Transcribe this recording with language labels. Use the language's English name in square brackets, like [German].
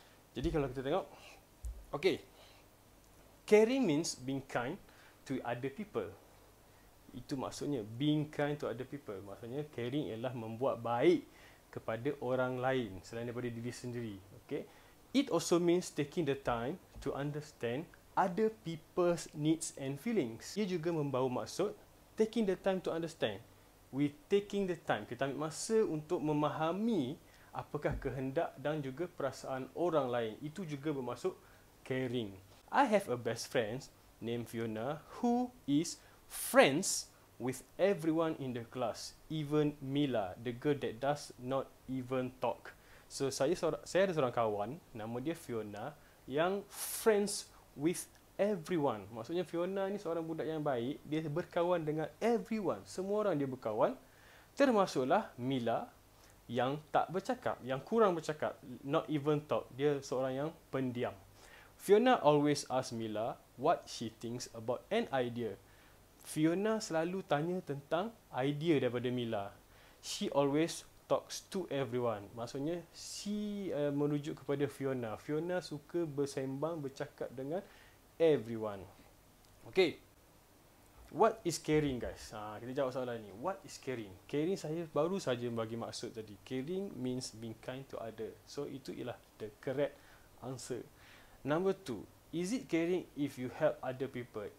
[Malay] Jadi kalau kita tengok, [English] okay, caring means being kind to other people. [Malay] Itu maksudnya, [English] being kind to other people. [Malay] Maksudnya caring ialah membuat baik kepada orang lain selain daripada diri sendiri, okay. [English] It also means taking the time to understand other people's needs and feelings. [Malay] Ia juga membawa maksud [English] taking the time to understand. We taking the time. [Malay] Kita ambil masa untuk memahami apakah kehendak dan juga perasaan orang lain. Itu juga bermaksud caring. [English] I have a best friend named Fiona who is friends with everyone in the class. Even Mila, the girl that does not even talk. [Malay] So saya ada seorang kawan, nama dia Fiona, yang [English] friends with everyone. [Malay] Maksudnya Fiona ni seorang budak yang baik, dia berkawan dengan everyone. Semua orang dia berkawan, termasuklah Mila yang tak bercakap, yang kurang bercakap, [English] not even talk. [Malay] Dia seorang yang pendiam. [English] Fiona always ask Mila what she thinks about an idea. [Malay] Fiona selalu tanya tentang idea daripada Mila. [English] She always talks to everyone. [Malay] Maksudnya, merujuk kepada Fiona. Fiona suka bersembang, bercakap dengan everyone. Okay. [English] What is caring, guys? [Malay] Kita jawab soalan ni. [English] What is caring? Caring, [Malay] saya baru saja bagi maksud tadi. [English] Caring means being kind to other. So, [Malay] itu ialah [English] the correct answer. Number two. Is it caring if you help other people?